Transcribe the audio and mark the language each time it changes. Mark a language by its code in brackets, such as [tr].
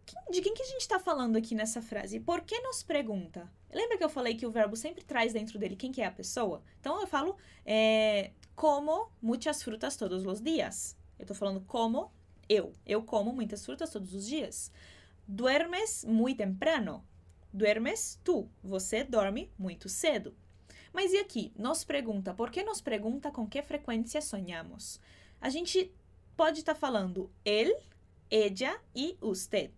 [pt] De quem que a gente está falando aqui nessa frase? Por que nos pergunta? Lembra que eu falei que o verbo sempre traz dentro dele quem que é a pessoa? Então eu falo [es] como muchas frutas todos los días. [pt] Eu estou falando como eu. Eu como muitas frutas todos os dias. [es] Duermes muy temprano. [pt] Duermes tu, você dorme muito cedo. Mas e aqui? Nos pergunta, por que nos pergunta com que frequência sonhamos? A gente pode estar falando ele, ella e usted.